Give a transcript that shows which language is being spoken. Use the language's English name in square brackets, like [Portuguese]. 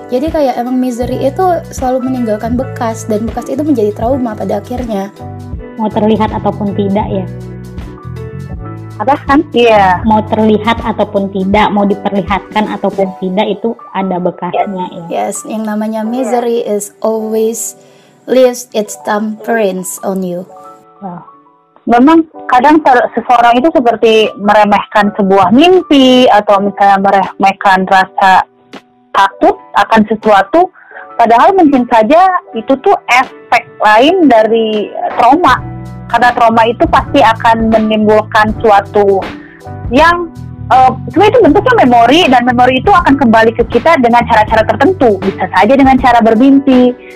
[Indonesian] Jadi kayak emang misery itu selalu meninggalkan bekas, dan bekas itu menjadi trauma pada akhirnya. Mau terlihat ataupun tidak ya. Apa kan? Iya. Yeah. Mau terlihat ataupun tidak, mau diperlihatkan ataupun tidak, itu ada bekasnya. Yes. Ya. [English] Yes, [Indonesian] yang namanya [English] misery is always leaves its thumbprints on you. Wow. [Indonesian] Memang kadang seseorang itu seperti meremehkan sebuah mimpi, atau misalnya meremehkan rasa takut akan sesuatu, padahal mungkin saja itu tuh efek lain dari trauma. Karena trauma itu pasti akan menimbulkan suatu yang itu bentuknya memori, dan memori itu akan kembali ke kita dengan cara-cara tertentu, bisa saja dengan cara bermimpi.